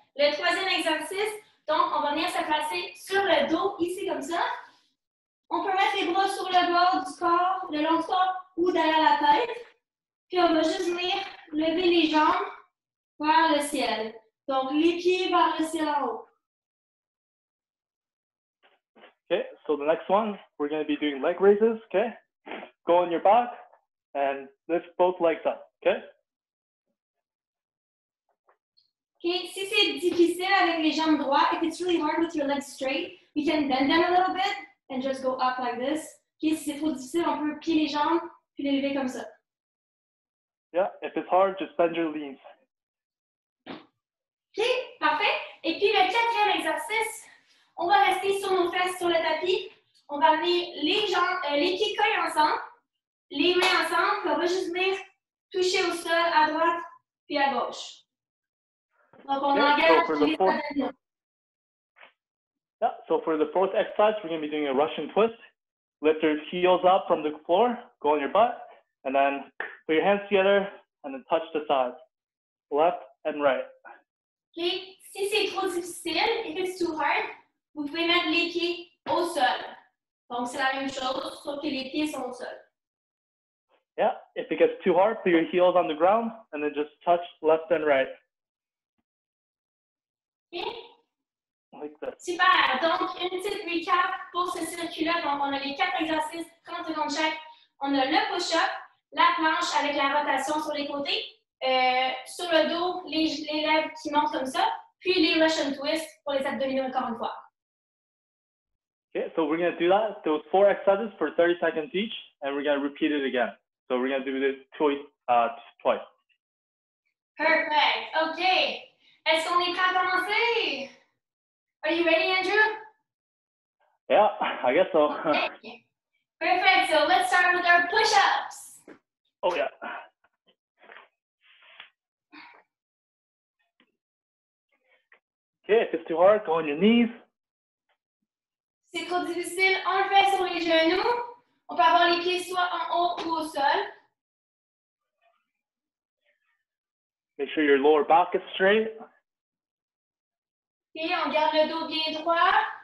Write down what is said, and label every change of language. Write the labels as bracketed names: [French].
[French] Le troisième exercice, donc on va venir se placer sur le dos, ici comme ça. On peut mettre les bras sur le bord du corps, le long du corps ou derrière la tête. Puis on va juste venir lever les jambes vers le ciel. Donc les pieds vers le ciel en haut. [English] Okay, so the next one, we're going to be doing leg raises, okay? Go on your back and lift both legs up, okay? Okay, [French] si c'est difficile avec les jambes droites, [English] if it's really hard with your legs straight, we can bend them a little bit and just go up like this. [French] Okay, si c'est trop difficile, on peut plier les jambes puis les lever comme ça. [English] Yeah, if it's hard, just bend your knees. [French] Okay, parfait. Et puis le quatrième exercice, on va rester sur nos fesses, sur le tapis. On va amener les jambes, les pieds collés ensemble, les mains ensemble, puis on va juste venir toucher au sol à droite puis à gauche. Donc, on engage les fourth... [English] Yeah, so for the fourth exercise, we're going to be doing a Russian twist. Lift your heels up from the floor, go on your butt, and then put your hands together and then touch the sides, left and right. [French] OK, si c'est trop difficile, [English] if it's too hard, [French] vous pouvez mettre les pieds au sol. Donc, c'est la même chose, sauf que les pieds sont au sol. [English] Yeah, if it gets too hard, put your heels on the ground and then just touch left and right. OK. Like that. Super. [French] Donc, une petite recap pour ce circuit-là. Donc, on a les quatre exercices, 30 secondes chaque. On a le push-up, la planche avec la rotation sur les côtés, sur le dos, les lèvres qui montent comme ça, puis les Russian twists pour les abdominaux encore une fois. [English] Okay, so we're going to do that. Those four exercises for 30 seconds each, and we're going to repeat it again. So we're going to do this twice. [French] Perfect. Okay. Est-ce qu'on est prêt à commencer? [English] Are you ready, [French] Andrew? [English] Yeah, I guess so. Okay. Perfect. So let's start with our push-ups. Oh, yeah. Okay, if it's too hard, go on your knees. [French] C'est trop difficile, on le fait sur les genoux. On peut avoir les pieds soit en haut ou au sol. [English] Make sure your lower back is straight. [French] OK, on garde le dos bien droit.